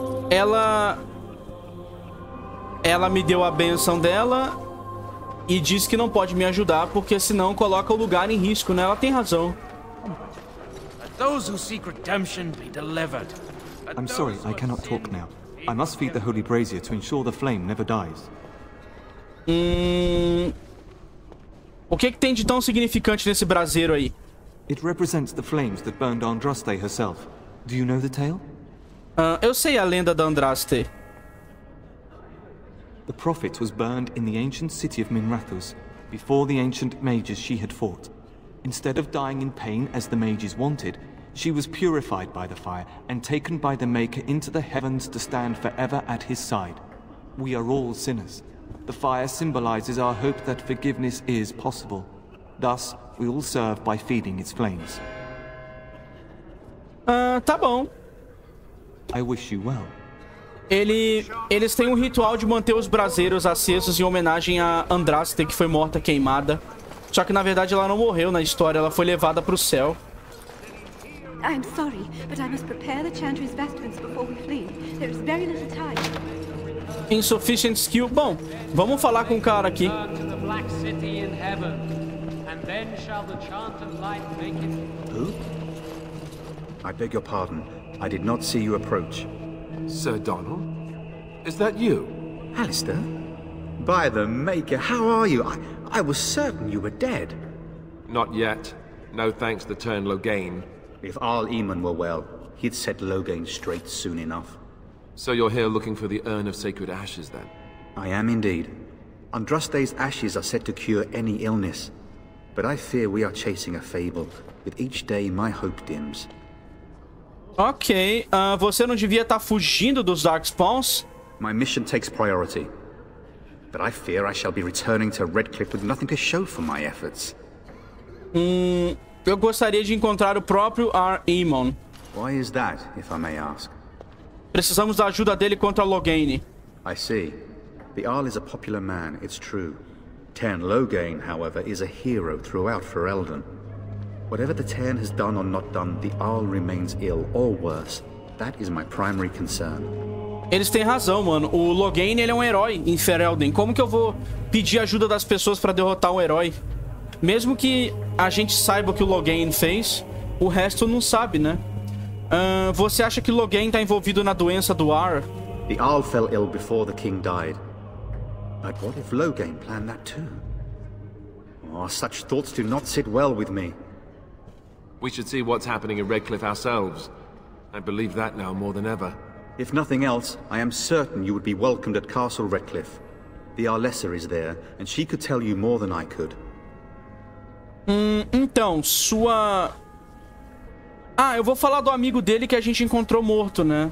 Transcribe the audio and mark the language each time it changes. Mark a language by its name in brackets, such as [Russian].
[Portuguese] Ela me deu a bênção dela e disse que não pode me ajudar porque senão coloca o lugar em risco, né? Ela tem razão. [English] Those who seek redemption be delivered. I'm sorry, I cannot talk now. I must feed the holy brazier to ensure the flame never dies. [Portuguese] O que tem de tão significante nesse braseiro aí? [English] It represents the flames that burned Andraste herself. Do you know the tale? [Portuguese] Eu sei a lenda da Andraste. [English] The prophet was burned in the ancient city of Minrathus, before the ancient mages she had fought. Instead of dying in pain as the mages wanted, she was purified by the fire and taken by the Maker into the heavens to stand forever at his side. We are all sinners. The fire symbolizes our hope that forgiveness is possible. Thus, we all serve by feeding its flames. [Portuguese] Tá bom. [English] I wish you well. [Portuguese] Eles têm um ritual de manter os braseiros acesos em homenagem a Andraste, que foi morta queimada. Só que na verdade ela não morreu na história, ela foi levada pro céu. [English] I'm sorry, but I must prepare the Chantry's vestments before we flee. There is very little time. Insufficient skill. [Portuguese] Bom, vamos falar com o cara aqui. [English] Who? I beg your pardon. I did not see you approach. Sir Donald? Is that you? Alistair? By the Maker, how are you? I was certain you were dead. Not yet. No thanks to Turn Loghain. If Arl Eamon were well, he'd set Loghain straight soon enough. So you're here looking for the Urn of Sacred Ashes, then? I am indeed. Andraste's ashes are said to cure any illness. But I fear we are chasing a fable. With each day, my hope dims. [Portuguese] Ok, você não devia estar fugindo dos Darkspawns? [English] My mission takes priority. But I fear I shall be returning to Redcliffe with nothing to show for my efforts. [Portuguese] Eu gostaria de encontrar o próprio Arl Eamon. [English] Why is that, if I may ask? [Portuguese] Precisamos da ajuda dele contra Loghain. [English] I see. The Arl is a popular man, it's true. Tern Loghain, however, is a hero throughout Ferelden. Whatever the Tern has done or not done, the Arl remains ill or worse. That is my primary concern. [Portuguese] Eles têm razão, mano. O Loghain, ele é um herói em Ferelden. Como que eu vou pedir ajuda das pessoas para derrotar um herói? Mesmo que a gente saiba o que o Loghain fez, o resto não sabe, né? Você acha que Loghain tá envolvido na doença do Arl? [English] The Arl fell ill before the king died. But what if Loghain planned that too? Oh, such thoughts do not sit well with me. We should see what's happening in Redcliffe ourselves. I believe that now more than ever. If nothing else, I am certain you would be welcomed at Castle Redcliffe. The Arlesser is there, and she could tell you more than I could. [Portuguese] Então, sua... eu vou falar do amigo dele que a gente encontrou morto, né?